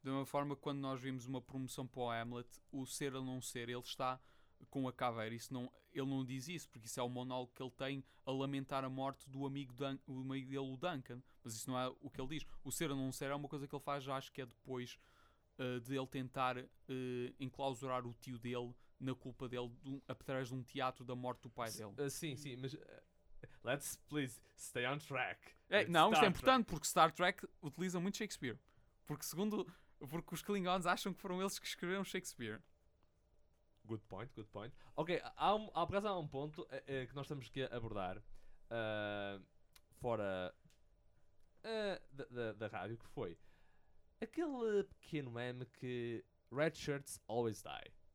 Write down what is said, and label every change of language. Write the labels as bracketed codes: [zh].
[pt] De uma forma que quando nós vimos uma promoção para o Hamlet, o ser ou não ser, ele está com a caveira, isso não, ele não diz isso, porque isso é o monólogo que ele tem a lamentar a morte do amigo dele, o Duncan, mas isso não é o que ele diz. O ser ou não ser é uma coisa que ele faz, já acho que é depois de ele tentar enclausurar o tio dele na culpa dele, através de um teatro da morte do pai dele. Sim, mas [en] let's please stay on track. [pt] Isto é importante, porque Star Trek utiliza muito Shakespeare, porque os Klingons acham que foram eles que escreveram Shakespeare. [en] Good point. [pt] Ok, há um ponto que nós temos que abordar fora da rádio, que foi aquele pequeno meme que [en] red shirts always die.